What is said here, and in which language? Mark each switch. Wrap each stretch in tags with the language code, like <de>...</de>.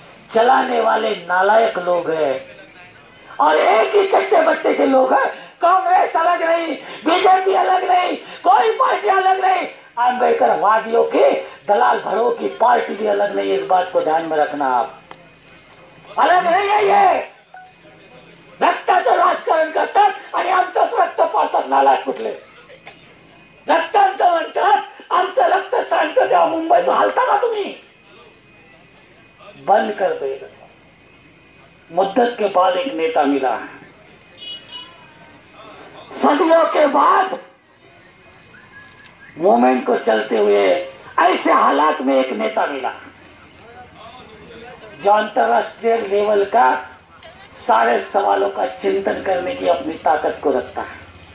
<hi>चलाने वाले नालायक लोग हैं और एक ही चट्टे बट्टे के लोग हैं. कांग्रेस अलग नहीं, बीजेपी अलग नहीं, कोई पार्टी अलग नहीं, अंबेडकर वादियों की दलाल भरो की पार्टी भी अलग नहीं, इस बात को ध्यान में रखना आप.</hi> <mr>अलग नहीं है ये, रक्ताचं राजकारण करतात आणि आमचं रक्त पाडतात नालायक कुठले, रक्तांचं म्हणतात आमचं रक्त सांडतं तेव्हा मुंबईचं हलता का तुम्ही?</mr> <hi>बंद कर दो. मुद्दत के बाद एक नेता मिला, सदियों के बाद मोमेंट को चलते हुए ऐसे हालात में एक नेता मिला जो अंतर्राष्ट्रीय लेवल का सारे सवालों का चिंतन करने की अपनी ताकत को रखता है.</hi>